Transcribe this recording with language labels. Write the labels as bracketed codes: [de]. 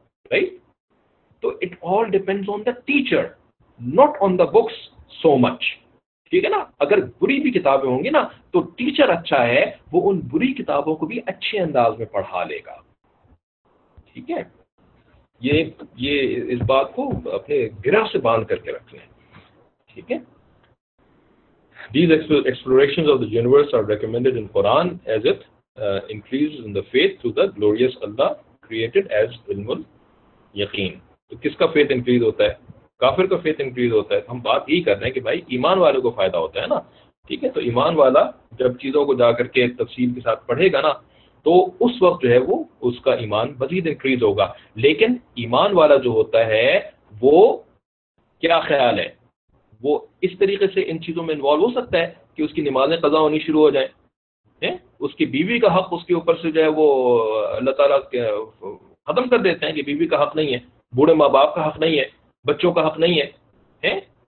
[en] Right, तो it all depends on the teacher, not on the books so much. [hi] ठीक है ना, अगर बुरी भी किताबें होंगी ना तो टीचर अच्छा है, वो उन बुरी किताबों को भी अच्छे अंदाज में पढ़ा लेगा। ठीक है, ये इस बात को अपने गिरह से बांध करके रख लें। ठीक है, [en] These explorations of the universe are recommended in Quran as it increases in the faith through the glorious Allah created as ilmul yaqeen. [hi] तो किसका faith increase होता है? काफिर का faith increase होता है। हम बात यही कर रहे हैं कि भाई ईमान वालों को फायदा होता है ना। ठीक है, तो ईमान वाला जब चीजों को जाकर के तफसील के साथ पढ़ेगा ना तो उस वक्त जो है वो उसका ईमान मजीद इंक्रीज होगा। लेकिन ईमान वाला जो होता है वो क्या ख्याल है, वो इस तरीके से इन चीजों में इन्वॉल्व हो सकता है कि उसकी नमाजें कजा होनी शुरू हो जाए, उसकी बीवी का हक उसके ऊपर से जो है वो अल्लाह ताला खत्म कर देते हैं कि बीवी का हक नहीं है, बूढ़े माँ बाप का हक नहीं है, बच्चों का हक नहीं है, है?